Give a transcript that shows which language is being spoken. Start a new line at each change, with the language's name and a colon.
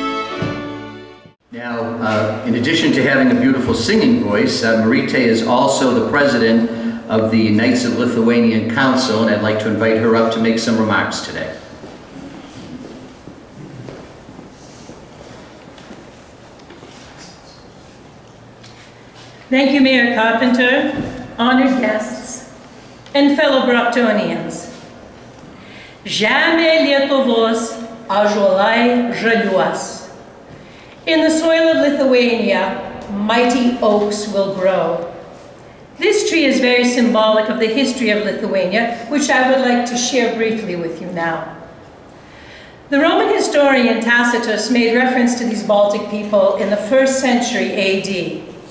English: in addition to having a beautiful singing voice, Maryte is also the president of the Knights of Lithuanian Council, and I'd like to invite her up to make some remarks today. Thank you, Mayor Carpenter, honored guests, and fellow Brocktonians.
Lithuanian: Žemė Lietuvos ąžuolai žaliuos.
English: In the soil of Lithuania, mighty oaks will grow. This tree is very symbolic of the history of Lithuania, which I would like to share briefly with you now. The Roman historian Tacitus made reference to these Baltic people in the first century AD.